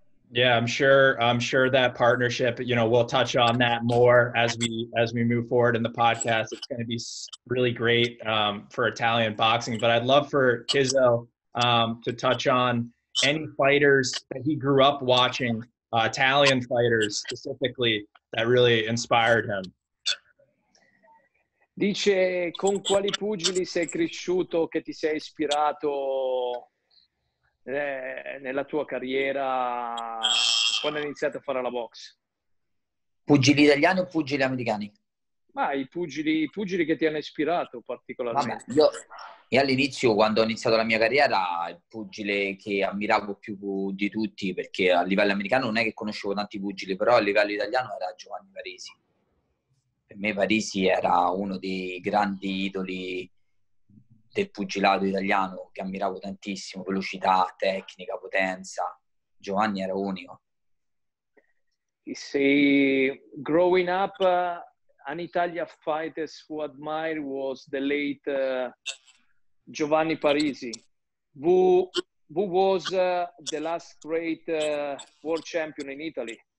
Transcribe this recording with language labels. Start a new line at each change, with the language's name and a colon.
English: Yeah, I'm sure that partnership, you know, we'll touch on that more as we move forward in the podcast. It's going to be really great for Italian boxing. But I'd love for Kizzo to touch on any fighters that he grew up watching, Italian fighters specifically, that really inspired him.
Italian: Dice, con quali pugili sei cresciuto, che ti sei ispirato nella tua carriera quando hai iniziato a fare la box? Pugili italiani o pugili americani? Ma i pugili che ti hanno ispirato particolarmente. Vabbè, io all'inizio, quando ho iniziato la mia carriera, il pugile che ammiravo più di tutti, perché a livello americano non è che conoscevo tanti pugili, però a livello italiano era Giovanni Parisi. Per me Parisi era uno dei grandi idoli del pugilato italiano, che ammiravo tantissimo: velocità, tecnica, potenza. Giovanni era unico.
English: See, growing up, an Italian fighter who admire was the late Giovanni Parisi, who was the last great world champion in Italy.